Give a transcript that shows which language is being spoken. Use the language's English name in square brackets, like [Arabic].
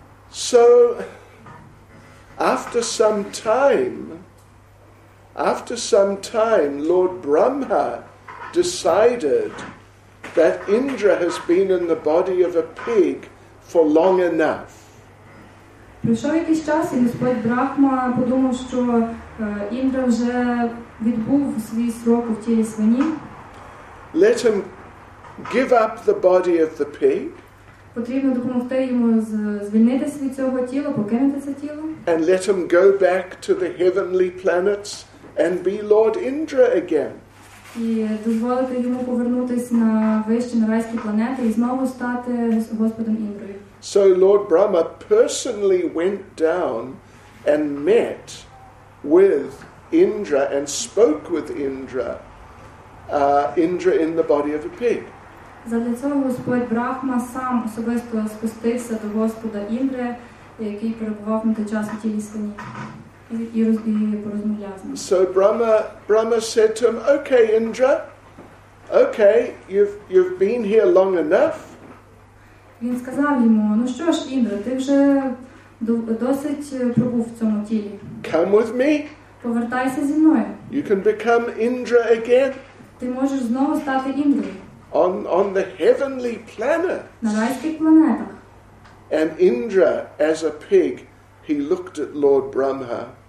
[English] So after some time After some time, Lord Brahma decided that Indra has been in the body of a pig for long enough. [Ukrainian] Пройшов якийсь час, і Господь Брахма подумав, що Індра вже відбув свій срок в тілі свині. [English] Let him give up the body of the pig. [Ukrainian] Потрібно допомогти йому звільнитися від цього тіла, покинути це тіло. [English] And let him go back to the heavenly planets and be Lord Indra again. [Ukrainian] І дозволити йому повернутися на вищі райські планети і знову стати Господом Індрою. [English] So Lord Brahma personally went down and met with Indra and spoke with Indra, Indra in the body of a pig. [Ukrainian] Задля цього Господь Брахма сам особисто спустився до Господа Індри, який перебував на той час у тілі свині, і порозмовляв з ним. [English] So Brahma said to him, "Okay, Indra, okay, you've been here long enough." [Ukrainian] Він сказав йому, ну що ж, Індра, ти вже досить пробув в цьому тілі. [English] Come with me. [Ukrainian] Повертайся зі мною. [English] You can become Indra again. [Ukrainian] Ти можеш знову стати Індрою. [English] On the heavenly planet. [Ukrainian] На райських планетах. [English] And Indra, as a pig, he looked at Lord Brahma.